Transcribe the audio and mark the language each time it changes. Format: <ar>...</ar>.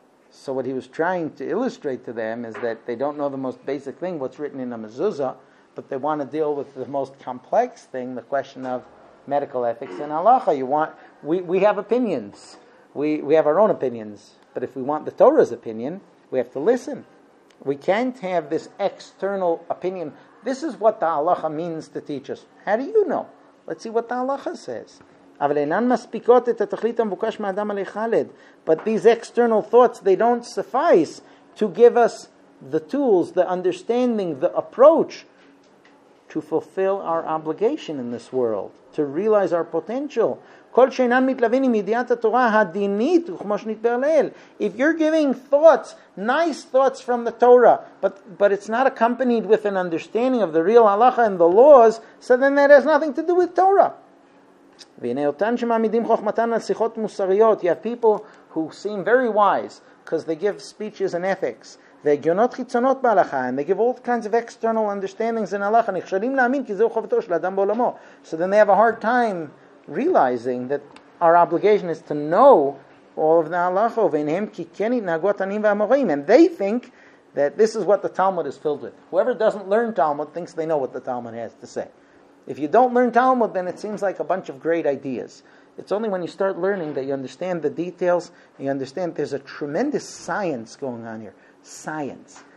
<en>So what he was trying to illustrate to them is that they don't know the most basic thing, what's written in a mezuzah, but they want to deal with the most complex thing, the question of medical ethics and halacha. We have opinions. We have our own opinions. But if we want the Torah's opinion, we have to listen. We can't have this external opinion. This is what the halacha means to teach us. How do you know? Let's see what the halacha says.</en> <he>אבל אינן מספיקות את התכלית המבוקש מאדם עלי חלד.</he> <en>But these external thoughts, they don't suffice to give us the tools, the understanding, the approach to fulfill our obligation in this world, to realize our potential.</en> <he>כל שאינן מתלווין עם ידיעת התורה הדינית וכמו שנתבר לאל.</he> <en>If you're giving thoughts, nice thoughts from the Torah, but it's not accompanied with an understanding of the real halacha and the laws, so then that has nothing to do with Torah.</en> <he>והנה אותן שמעמידים חוכמתן על שיחות מוסריות.</he> <en>You have people who seem very wise because they give speeches and ethics.</en> <he>והגיונות חיצונות בהלכה,</he> <en>and they give all kinds of external understandings in הלכה.</en> <he>נכשלים להאמין כי זהו חובתו של אדם בעולמו.</he> <en>So then they have a hard time realizing that our obligation is to know all of the הלכה.</en> <he>והנהם כי כן התנהגו התנים והמורים.</he> <en>And they think that this is what the Talmud is filled with. Whoever doesn't learn Talmud thinks they know what the Talmud has to say. If you don't learn Talmud, then it seems like a bunch of great ideas. It's only when you start learning that you understand the details, and you understand there's a tremendous science going on here. Science.</en>